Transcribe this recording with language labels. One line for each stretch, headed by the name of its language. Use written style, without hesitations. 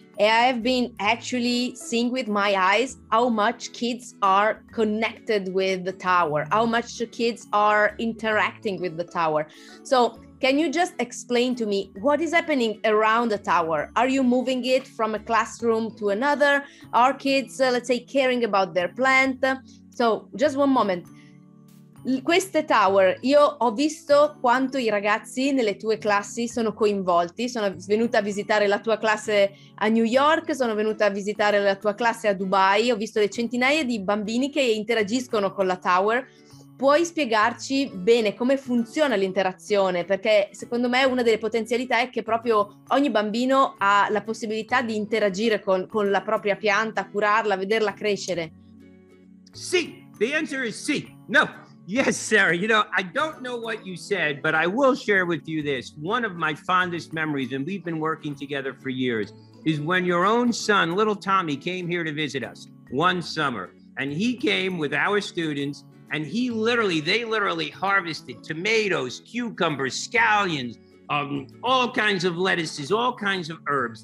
English: And I've been actually seeing with my eyes how much kids are connected with the tower, how much the kids are interacting with the tower. So can you just explain to me what is happening around the tower? Are you moving it from a classroom to another? Are kids, let's say, caring about their plant? So just one moment.
Italian: queste tower, io ho visto quanto i ragazzi nelle tue classi sono coinvolti, sono venuta a visitare la tua classe a New York, sono venuta a visitare la tua classe a Dubai, ho visto le centinaia di bambini che interagiscono con la tower. Puoi spiegarci bene come funziona l'interazione? Perché secondo me una delle potenzialità è che proprio ogni bambino ha la possibilità di interagire con la propria pianta, curarla, vederla crescere.
English: Sì, the answer is sì. No, yes, Sarah. You know, I don't know what you said, but I will share with you this. One of my fondest memories, and we've been working together for years, is when your own son, little Tommy, came here to visit us one summer. And he came with our students, and they literally harvested tomatoes, cucumbers, scallions, all kinds of lettuces, all kinds of herbs.